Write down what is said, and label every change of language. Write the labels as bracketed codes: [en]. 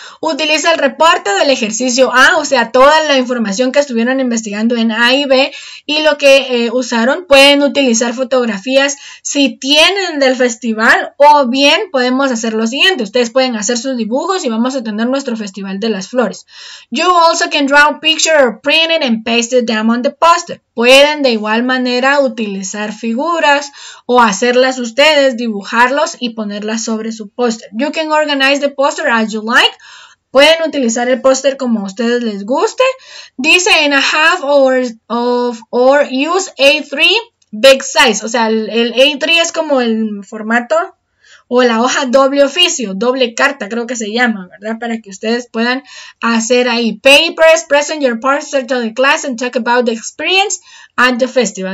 [es] Utiliza el reporte del ejercicio A, o sea, toda la información que estuvieron investigando en A y B y lo que usaron, pueden utilizar fotografías si tienen del festival o bien podemos hacer lo siguiente. Ustedes pueden hacer sus dibujos y vamos a tener nuestro Festival de las Flores. [en] You also can draw a picture or print it and paste it down on the poster. [es] Pueden de igual manera utilizar figuras o hacerlas ustedes, dibujarlos y ponerlas sobre su póster. [en] You can organize the poster as you like. [es] Pueden utilizar el póster como a ustedes les guste. Dice [en] in a half or use A3 big size. [es] O sea, el A3 es como el formato o la hoja doble oficio, doble carta creo que se llama, ¿verdad? Para que ustedes puedan hacer ahí [en] papers, present your poster to the class and talk about the experience at the festival.